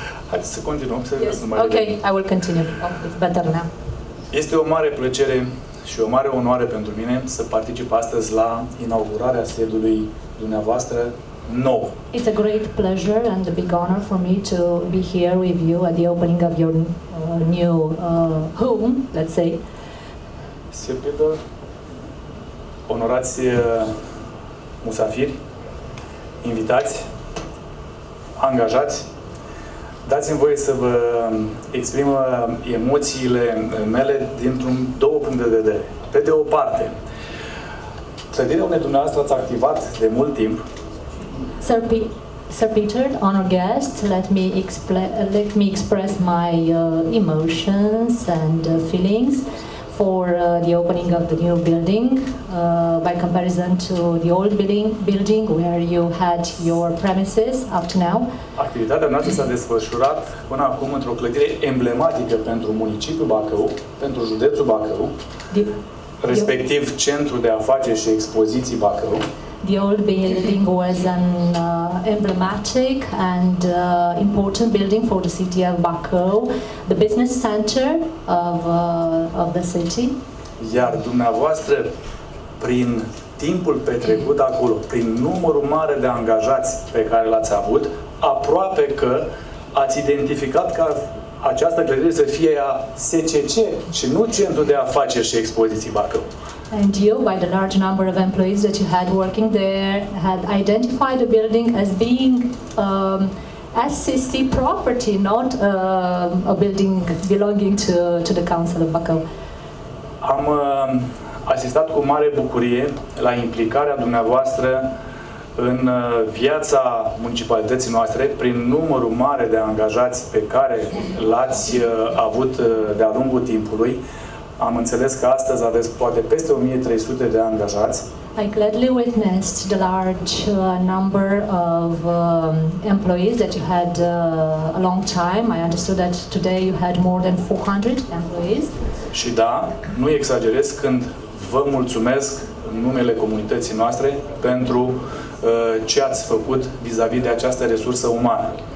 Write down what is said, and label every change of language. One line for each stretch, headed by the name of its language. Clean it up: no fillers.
Romanian: Haideți să continuăm, să
English: yes. Mai ok, I will continue. Better now.
Romanian: Este o mare plăcere și o mare onoare pentru mine să particip astăzi la inaugurarea sediului dumneavoastră nou.
English: It's a great pleasure and a big honor for me to be here with you at the opening of your new home, let's say.
Romanian: Sepidă, onorați musafiri, invitați, angajați, dați-mi voie să vă exprim emoțiile mele dintr-un două puncte de vedere. Pe de o parte, clădirea unei dumneavoastră ați activat de mult timp.
English: Sir Peter, honor guests, let me express my emotions and feelings for the opening of the new building by comparison to the old building where you had your premises up to now.
Romanian: Activitatea noastră s-a desfășurat până acum într-o clădire emblematică pentru municipiul Bacău, pentru județul Bacău, respectiv centrul de afaceri și expoziții Bacău.
English: The old building was an emblematic and important building for the city of Bacău, the business center of the city.
Romanian: Iar dumneavoastră, prin timpul petrecut acolo, prin numărul mare de angajați pe care l-ați avut, aproape că ați identificat ca această clădire să fie a SCC și nu centrul de afaceri și expoziții Bacău.
English: And you, by the large number of employees that you had working there, had identified the building as being SCC property, not a building belonging to the Council of Bacău.
Romanian: Am asistat cu mare bucurie la implicarea dumneavoastră în viața municipalității noastre prin numărul mare de angajați pe care l-ați avut de-a lungul timpului. Am înțeles că astăzi aveți poate peste 1300 de angajați.
English: I gladly witnessed the large number of employees that you had a long time. I understood that today you had more than 400 employees.
Romanian: Și da, nu exagerez când vă mulțumesc în numele comunității noastre pentru ce ați făcut vis-a-vis de această resursă umană.